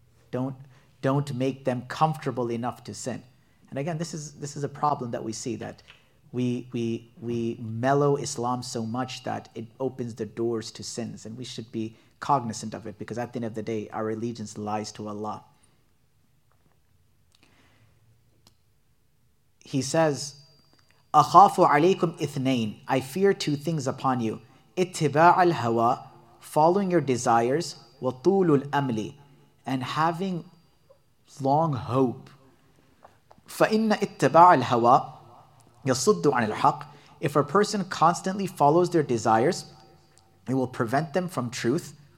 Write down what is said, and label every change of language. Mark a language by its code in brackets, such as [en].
[en] Don't make them comfortable enough to sin. And again, this is a problem that we see, that we mellow Islam so much that it opens the doors to sins. And we should be cognizant of it, because at the end of the day, our allegiance lies to Allah. He says, [ar] أَخَافُ عَلَيْكُمْ إِثْنَيْنِ. [en] I fear two things upon you. [ar] اتِّبَاعَ الْهَوَى. [en] Following your desires. [ar] وَطُولُ الْأَمْلِ. [en] And having long hope. [ar] فَإِنَّ اتِّبَاعَ الْهَوَى يَصُدُّ عَنِ الْحَقِّ. [en] If a person constantly follows their desires, it will prevent them from truth.